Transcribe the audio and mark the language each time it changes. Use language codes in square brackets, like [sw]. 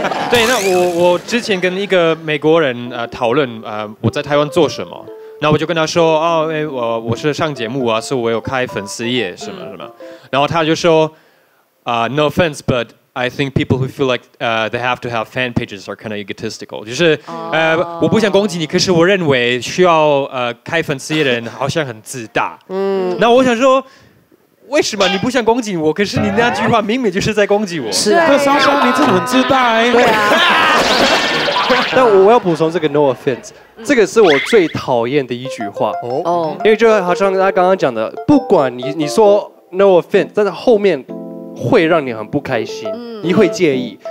[zh] 对，那我之前跟一个美国人讨论我在台湾做什么，那我就跟他说我是上节目啊，所以我有开粉丝页什么什么，然后他就说 [en] no offense but I think people who feel like they have to have fan pages are kind of egotistical. [zh] 就是、我不想攻击你，可是我认为需要开粉丝的人好像很自大。嗯，那我想说，为什么你不想攻击我？可是你那句话明明就是在攻击我。是啊，那莎莎你真的很自大哎、欸。对啊。但我要补充这个 no offense， 这个是我最讨厌的一句话哦，因为就好像他刚刚讲的，不管你说 no offense， 但是后面会让你很不开心，嗯、你会介意。